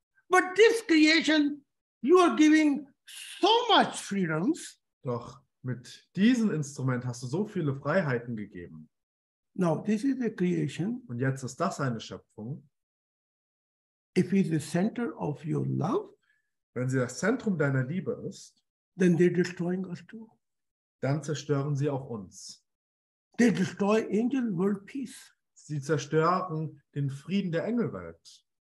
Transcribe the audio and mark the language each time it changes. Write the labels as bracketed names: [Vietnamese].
[English] But this creation, you are giving so much freedoms. [German] Doch Mit diesem Instrument hast du so viele Freiheiten gegeben. [English] Now this is a creation. [German] Und jetzt ist das eine Schöpfung. [English] If it is the center of your love, [German] wenn sie das Zentrum deiner Liebe ist, [English] then they're destroying us too. [German] Dann zerstören sie auch uns. [English] They destroy angel world peace. [German] Sie zerstören den Frieden der Engelwelt.